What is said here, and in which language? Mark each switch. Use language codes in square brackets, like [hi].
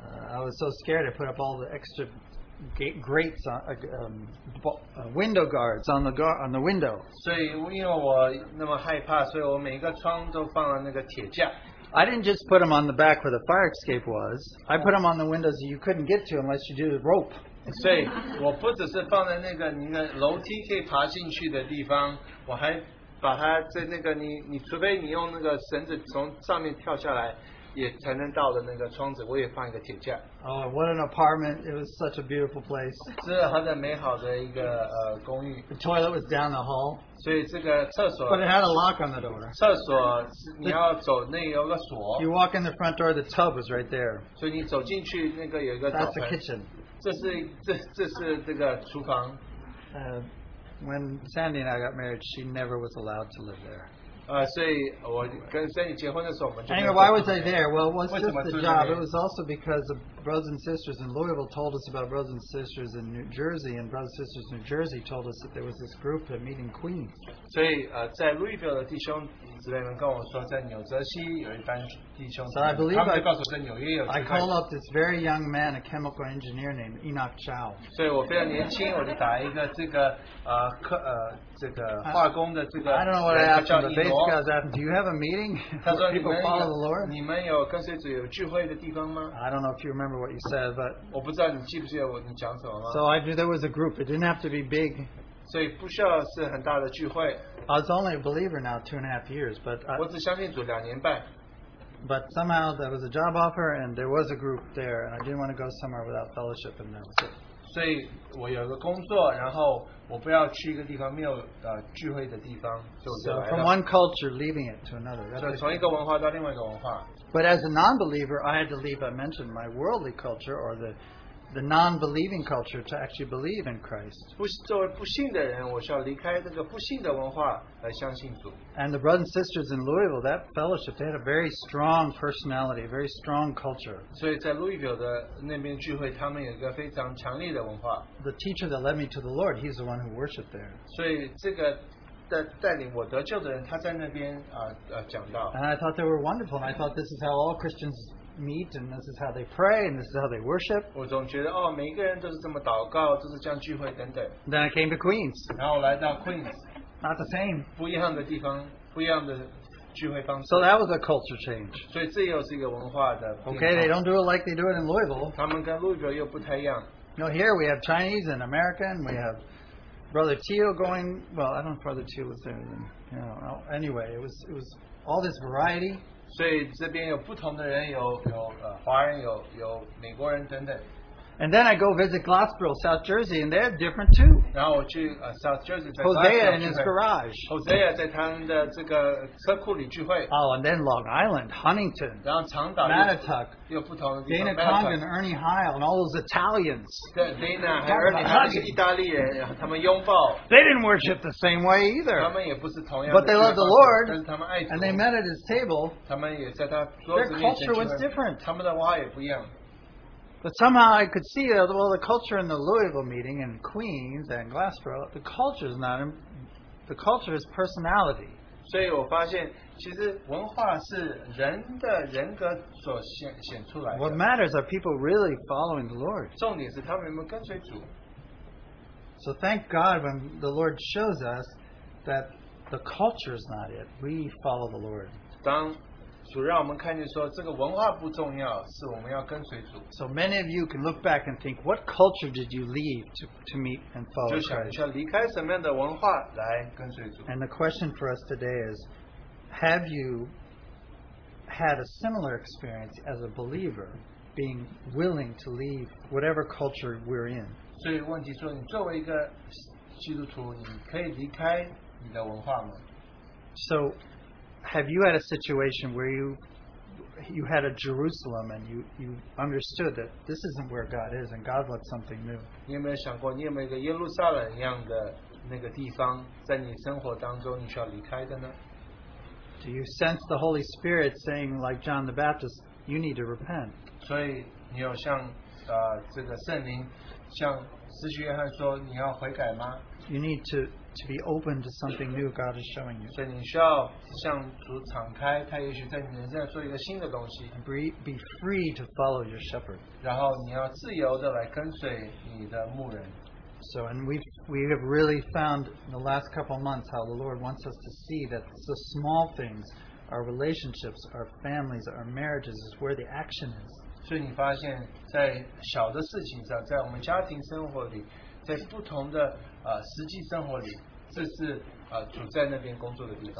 [en] I was so scared. I put up all the extra grates on, window guards on the on the window. [zh] 所以因为我那么害怕，所以我每一个窗都放了那个铁架。 [en] I didn't just put them on the back where the fire escape was. I put them on the windows you couldn't get to unless you did the rope. [zh] 所以我不只是放在那个你的楼梯可以爬进去的地方，我还把它在那个你除非你用那个绳子从上面跳下来。也才能到的那个窗子，我也放一个铁架。 [en] Oh, what an apartment! It was such a beautiful place. [zh] 这是很美好的一个公寓。 [en] The toilet was down the hall. [zh] 所以这个厕所。 [en] But it had a lock on the door. [zh] 厕所你要走那有个锁。 [en] You walk in the front door, the tub was right there. [zh] 所以你走进去那个有一个。 [en] That's the kitchen. [zh] 这是这个厨房。 [en] When Sandy and I got married, she never was allowed to live there. Anyway, why was I there? Well, it wasn't just the job. It was also because the brothers and sisters in Louisville told us about brothers and sisters in New Jersey, and brothers and sisters in New Jersey told us that there was this group that met in Queens. [zh] 所以在 Louisville 的弟兄姊妹们跟我说，在纽泽西有一班弟兄。 [en] So I believe I got to say, [zh] 纽约有。 [en] I called up this very young man, a chemical engineer named Enoch Chow. [zh] 所以我非常年轻，我就打一个这个这个化工的这个。 [en] I don't know what I asked him. The basic guy asked, "Do you have a meeting?" [zh] 他说：“你们有 [en] follow the Lord? [zh] 你们有跟随主有聚会的地方吗？” [en] I don't know if you remember what you said, but I don't know if you remember what you said. So I knew there was a group. It didn't have to be big. [zh] 所以不需要是很大的聚会。 [en] I was only a believer now 2.5 years, but [zh] 我只相信主两年半。 [en] But somehow there was a job offer and there was a group there, and I didn't want to go somewhere without fellowship, and that was it. [zh] 所以我有一个工作，然后我不要去一个地方没有聚会的地方，就来了。 [en] So from one culture, leaving it to another. [zh] 就从一个文化到另外一个文化。 [en] But as a non-believer, I had to leave, I mentioned, my worldly culture or the non-believing culture to actually believe in Christ. [zh] 作为不信的人，我需要离开这个不信的文化来相信主。 [en] And the brothers and sisters in Louisville, that fellowship, they had a very strong personality, a very strong culture. [zh] 所以在 Louisville 的那边聚会，他们有一个非常强烈的文化。 [en] The teacher that led me to the Lord, he's the one who worshipped there. [zh] 所以这个带领我得救的人，他在那边讲道。 [en] And I thought they were wonderful, and I thought this is how all Christians meet, and this is how they pray, and this is how they worship. [zh] 我总觉得哦，每个人都是这么祷告，都是这样聚会等等。 [en] Then I came to Queens. [zh] 然后来到 Queens. [en] Not the same. [zh] 不一样的地方，不一样的聚会方式。 [en] So that was a culture change. [zh] 所以这又是一个文化的。 [en] Okay, they don't do it like they do it in Louisville. [zh] 他们跟 Louisville 又不太一样。 [en] No, here we have Chinese and American, we have Brother Teo going, well, I don't know if Brother Teo was there. Then. You know, anyway, it was all this variety. [zh] 所以这边有不同的人，有华人，有美国人等等。 [en] And then I go visit Glassboro, South Jersey, and they're different too. [zh] 然后我去South Jersey, [en] Hosea in his garage. [zh] Hosea 在他们的这个车库里聚会。 [en] Oh, and then Long Island, Huntington, [zh] 然后长岛 [en] Manitouk, [zh] 又不同的 [en] Dana Congdon, Ernie Heil, and all those Italians. [zh] Dana 和 Ernie 他们是意大利人，他们拥抱。 [en] They didn't worship the same way either. [zh] 他们也不是同样。 [en] But they loved the Lord. [zh] 但是他们爱主。 [en] And they met at his table. [zh] 他们也在他桌子面前。 [en] Their culture was different. [zh] 他们的文化也不一样。 [en] But somehow I could see that, well, the culture in the Louisville meeting and Queens and Glassboro, the culture is not, the culture is personality. [zh] 所以我发现其实文化是人的人格所显出来的。 [en] What matters are people really following the Lord. [zh] 重点是他们有没有跟随主。 [en] So thank God when the Lord shows us that the culture is not it. We follow the Lord. [zh] 当主让我们看见说这个文化不重要，是我们要跟随主。 [en] So many of you can look back and think, what culture did you leave to meet and follow Christ? [zh] 就想一下离开什么样的文化来跟随主。 [en] And the question for us today is, have you had a similar experience as a believer, being willing to leave whatever culture we're in? [zh] 所以问题说，你作为一个基督徒，你可以离开你的文化吗？ [en] So,have you had a situation where you had a Jerusalem and you understood that this isn't where God is and God wants something new? [zh] 你有没有想过，你有没有一个耶路撒冷一样的那个地方，在你生活当中你需要离开的呢？ [en] Do you sense the Holy Spirit saying, like John the Baptist, you need to repent? [zh] 所以你有像这个圣灵像使徒约翰说你要悔改吗？ [en] You need to be open to something new God is showing you. [zh] 所以你需要向主敞开，他也许在你人生做一个新的东西。 [en] Be free to follow your shepherd. [zh] 然后你要自由的来跟随你的牧人。 [en] So, and we have really found in the last couple of months how the Lord wants us to see that the small things, our relationships, our families, our marriages, is where the action is. [zh] 所以你发现在小的事情上，在我们家庭生活里，在不同的实际生活里，这是主在那边工作的地方。